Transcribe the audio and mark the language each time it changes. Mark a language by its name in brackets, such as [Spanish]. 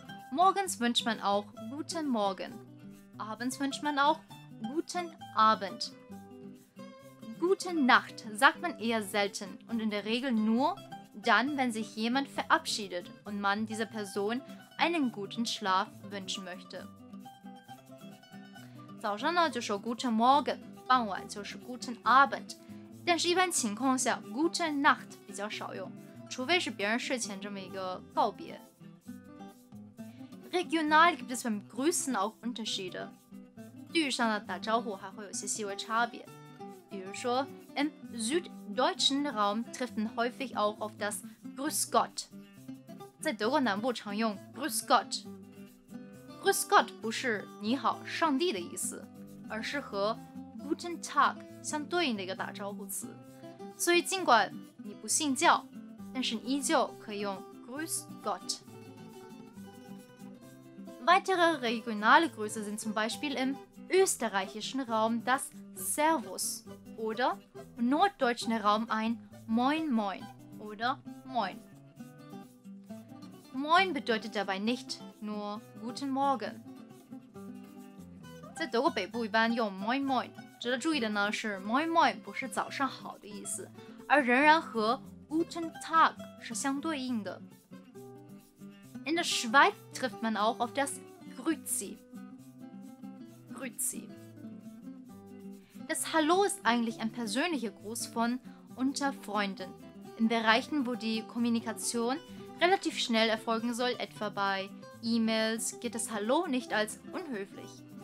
[German] Morgens wünscht man auch Guten Morgen. Abends wünscht man auch Guten Abend. Gute Nacht sagt man eher selten und in der Regel nur dann, wenn sich jemand verabschiedet und man dieser Person einen guten Schlaf wünschen möchte. [Chinese] 早上呢就说 [German] Guten Morgen, [Chinese] 傍晚就是 [German] Guten Abend, [Chinese] 但是一般情况下 [German] Guten Nacht [Chinese] 比较少用，除非是别人睡前这么一个告别。 [German] Regional gibt es beim Grüßen auch Unterschiede. [Chinese] 地域上的打招呼还会有些细微差别。比如说 [German] Im süddeutschen Raum trifft man häufig auch auf das Grüß Gott. [Chinese] 在德国南部常用 [German] Grüß Gott. Grüß Gott [Chinese] 不是你好上帝的意思，而是和 [German] Guten Tag [Chinese] 相对应的一个打招呼词。所以尽管你不信教，但是你依旧可以用 [German] Grüß Gott。 Weitere regionale Grüße sind zum Beispiel im österreichischen Raum das Servus oder im norddeutschen Raum ein Moin Moin oder Moin. Moin bedeutet dabei nicht nur Guten Morgen. [Chinese] 在德国北部一般用 [German] Moin Moin， [Chinese] 值得注意的呢是 Moin Moin 不是早上好的意思，而仍然和 [German] Guten Tag [Chinese] 是相对应的。 [German] In der Schweiz trifft man auch auf das Grüezi. Grüezi. Das Hallo ist eigentlich ein persönlicher Gruß von unter Freunden. In Bereichen, wo die Kommunikation relativ schnell erfolgen soll, etwa bei E-Mails, gilt das Hallo nicht als unhöflich.